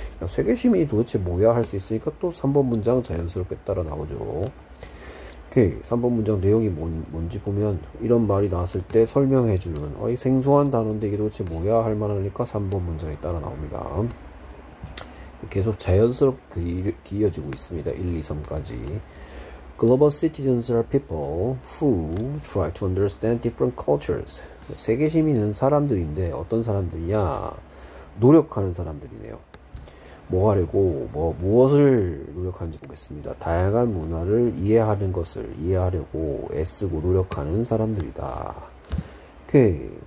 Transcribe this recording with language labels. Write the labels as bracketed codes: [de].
[ko] 세계 시민이 도대체 뭐야? 할수 있으니까 또 3번 문장 자연스럽게 따라 나오죠. 오케이. 3번 문장 내용이 뭔지 보면 이런 말이 나왔을 때 설명해 주는 이 생소한 단어인데 이게 도대체 뭐야? 할 만하니까 3번 문장에 따라 나옵니다. 계속 자연스럽게 이어지고 있습니다. 1, 2, 3까지. [en] Global citizens are people who try to understand different cultures. [ko] 세계 시민은 사람들인데 어떤 사람들이냐? 노력하는 사람들이네요. 뭐 하려고, 무엇을 노력하는지 보겠습니다. 다양한 문화를 이해하는 것을 이해하려고 애쓰고 노력하는 사람들이다. 오케이.